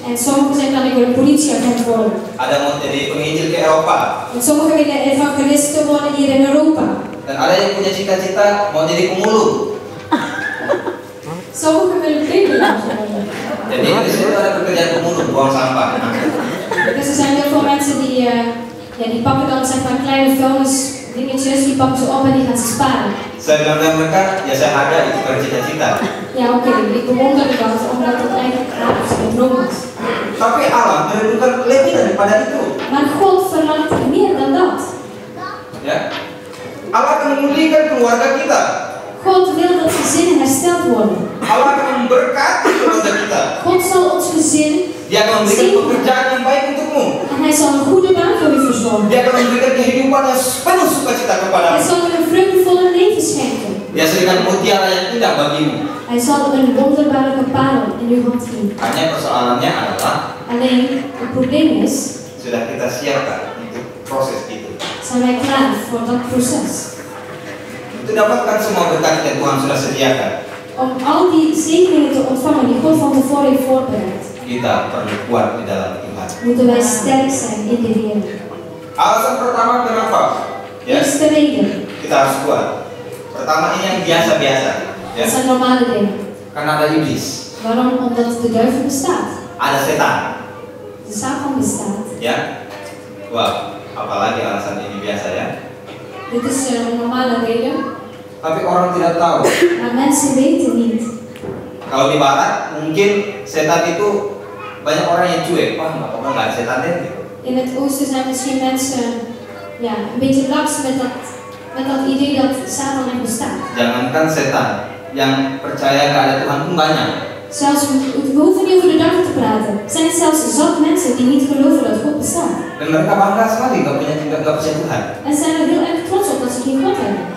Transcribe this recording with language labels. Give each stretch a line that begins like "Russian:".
Dutch: En sommigen zeggen dat ik wil politieagent worden.
Indonesian: Ada mau jadi penginjil ke Eropa.
Dutch: En sommigen willen evangelist worden hier in Europa.
Indonesian: Dan ada yang punya cita-cita mau jadi pemulung.
Dutch: Sommigen willen vreemdeling
Indonesian: worden. Jadi di situ ada pekerjaan pemulung, buang sampah.
Dutch: Dus er zijn heel veel mensen die die pakken dan zeg maar kleine vuilnis dingetjes, die pakken ze op en die gaan ze sparen.
Indonesian: Saya bilang dengan mereka, ya saya ada itu cita-cita.
Dutch: Ya oke, ik bewonder dat omdat het eigenlijk een droom is.
Indonesian: Tapi Allah merindukan lebih daripada itu.
Dutch: Maar God verlangt meer dan dat.
Indonesian: Ya. Allah akan memulihkan keluarga kita.
Dutch: God wil dat gezin hersteld worden.
Indonesian: Allah akan memberkati keluarga kita.
Dutch: God zal ons gezin.
Indonesian: Dia akan memberikan pekerjaan yang baik untukmu.
Dutch: En hij zal een goede baan voor u verzorgen.
Indonesian: Dia akan memberikan kehidupan yang penuh sukacita kepada.
Dutch: Hij zal een vreugdevolle leven schenken.
Indonesian: Dia serikan mutiara yang indah bagimu.
Dutch: Hij zal een wonderbaarlijke parel in uw hand zien.
Indonesian: Hanya persoalannya adalah.
Dutch: Alleen het probleem is.
Indonesian: Sudah kita siapkan untuk proses itu.
Dutch: Zijn wij klaar voor dat proces?
Indonesian: Untuk dapatkan semua berkat yang Tuhan sudah sediakan.
Dutch: Om al die zegeningen te ontvangen die God van tevoren heeft voorbereid.
Indonesian: Kita perlu kuat di dalam Tuhan.
Dutch: Moeten wij sterk zijn in de Heer.
Indonesian: Alasan pertama kenapa?
Dutch: Yes. Eerste reden.
Indonesian: Kita harus kuat. Pertama ini yang biasa-biasa. Ja.
Dutch: Dat zijn normale dingen.
Indonesian: Karena ada iblis.
Dutch: Waarom? Omdat de duivel bestaat.
Indonesian: Ada setan.
Dutch: De satan bestaat.
Indonesian: Ja. Wow. Apalagi alasan ini biasa ya.
Dutch: Dit is een normale reden.
Indonesian: Tapi orang tidak tahu.
Dutch: Maar mensen weten niet.
Indonesian: Kalau di barat, mungkin setan itu banyak orang yang cuek. Wah, nggak apa-apa, nggak setan deh.
Dutch: In het oosten zijn misschien mensen ya, een beetje laks met dat idee dat satan yang bestaat.
Indonesian: Jangankan setan, yang percaya gak ada Tuhan pun banyak.
Dutch: Zelfs, we hoeven niet over de duivel te praten. Zijn zelfs zat mensen die niet geloven dat God
Indonesian: Dan mereka bangga sekali enggak punya Tuhan.
English: And some of them are
Dutch: trots op dat ze geen God hebben.